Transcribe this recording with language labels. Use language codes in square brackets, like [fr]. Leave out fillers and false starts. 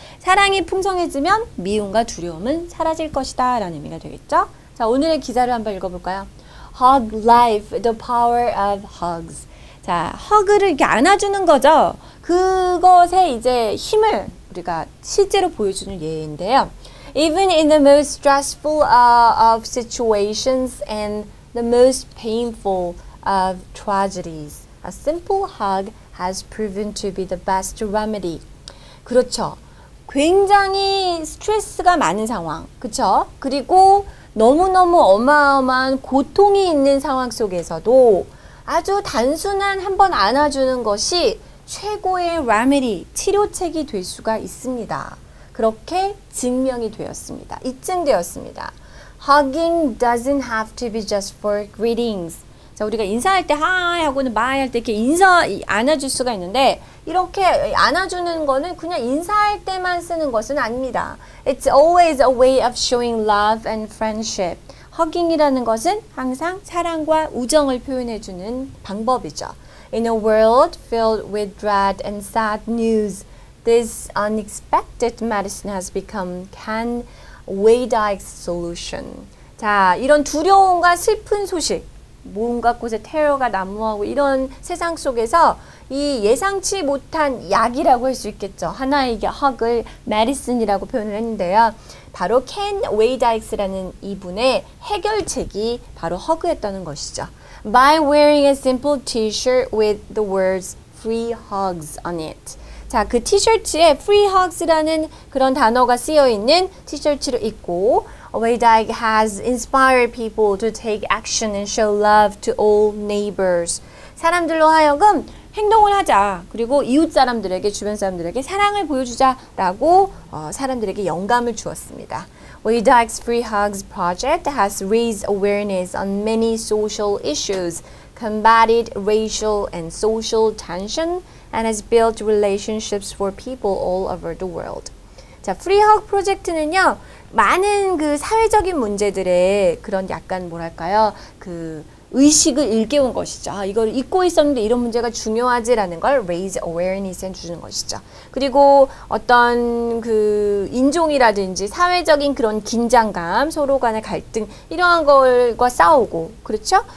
[ko] 사랑이 풍성해지면 미움과 두려움은 사라질 것이다 라는 의미가 되겠죠. 자, 오늘의 기사를 한번 읽어볼까요? [en] Hug life, the power of hugs. [ko] 자, 허그를 이렇게 안아주는 거죠. 그것에 이제 힘을 우리가 실제로 보여주는 예인데요. [en] Even in the most stressful of situations and the most painful of tragedies, a simple hug has proven to be the best remedy. [ko] 그렇죠. 굉장히 스트레스가 많은 상황, 그렇죠? 그리고 너무너무 어마어마한 고통이 있는 상황 속에서도 아주 단순한 한번 안아주는 것이 최고의 remedy, 치료책이 될 수가 있습니다. 그렇게 증명이 되었습니다. 입증되었습니다. [en] Hugging doesn't have to be just for greetings. [ko] 자, 우리가 인사할 때 하이 하고는 마이 할 때 이렇게 인사 안아줄 수가 있는데 이렇게 안아주는 거는 그냥 인사할 때만 쓰는 것은 아닙니다. [en] It's always a way of showing love and friendship. [ko] Hugging이라는 것은 항상 사랑과 우정을 표현해주는 방법이죠. [en] In a world filled with dread and sad news, this unexpected medicine has become Ken Wadeye's solution. [ko] 자, 이런 두려움과 슬픈 소식. 뭔가 곳에 테러가 난무하고 이런 세상 속에서 이 예상치 못한 약이라고 할 수 있겠죠. 하나의 이게 허그를 메디슨이라고 표현을 했는데요. 바로 켄 웨이다이스라는 이분의 해결책이 바로 허그였다는 것이죠. [en] By wearing a simple t-shirt with the words free hugs on it. [ko] 자, 그 티셔츠에 free hugs라는 그런 단어가 쓰여 있는 티셔츠를 입고 [en] Wadeye has inspired people to take action and show love to all neighbors. [ko] 사람들로 하여금 행동을 하자. 그리고 이웃 사람들에게, 주변 사람들에게 사랑을 보여주자라고 사람들에게 영감을 주었습니다. [en] Wadeye's Free Hugs Project has raised awareness on many social issues, combated racial and social tension, and has built relationships for people all over the world. [ko] 자, Free Hug Project는요. 많은 그 사회적인 문제들의 그런 약간 뭐랄까요 그 의식을 일깨운 것이죠. 아, 이걸 잊고 있었는데 이런 문제가 중요하지라는 걸 raise awareness에 주는 것이죠. 그리고 어떤 그 인종이라든지 사회적인 그런 긴장감, 서로 간의 갈등 이러한 것과 싸우고 그렇죠?